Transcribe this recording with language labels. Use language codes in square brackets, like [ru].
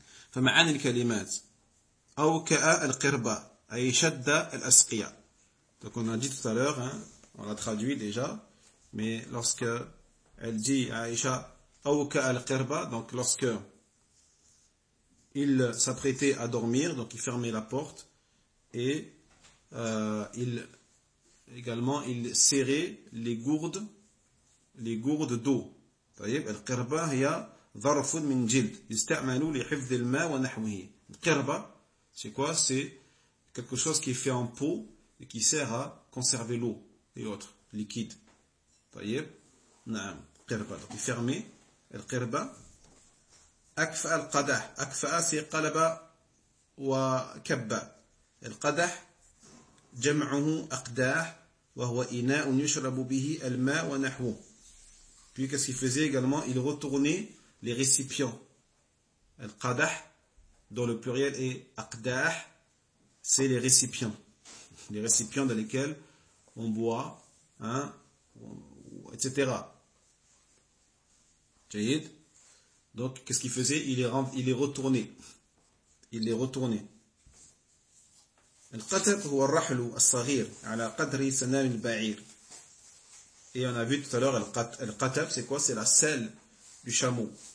[ar] فَمَعَنِ الْكَلِمَاتِ أَوْكَأَ الْقِرْبَ أَيْشَدَّ الْأَسْقِيَ [fr] Donc on a dit tout à l'heure, hein, on l'a traduit déjà, mais lorsque elle dit à Aïcha [ar] أَوْكَأَ الْقِرْبَ [fr] donc lorsque il s'apprêtait à dormir, donc il fermait la porte et il serrait les gourdes d'eau. [ar] طيب القربة هي ظرف من جلد يستعمل لحفظ الماء ونحوه. [fr] القربة c'est quoi? C'est quelque chose qui est fait en peau et qui sert à conserver l'eau et autres liquides. [ar] طيب نعم القربة [fr] donc il fermait [ar] القربة أكفى القدح أكفى [fr] c'est [ar] قلب وكب القدح جمعه أقداح وهو إناء يشرب به الماء ونحوه. [fr] Puis qu'est-ce qu'il faisait également? Il retournait les récipients. القدح dont le pluriel est أقداح, c'est les récipients dans lesquels on boit, hein, etc. [ar] جيد. [fr] Donc qu'est-ce qu'il faisait? Il les retournait. [ar] القتب هو الرحل الصغير على قدر سنام البعير. [fr] Et on a vu tout à l'heure القتب c'est quoi? C'est la selle du chameau.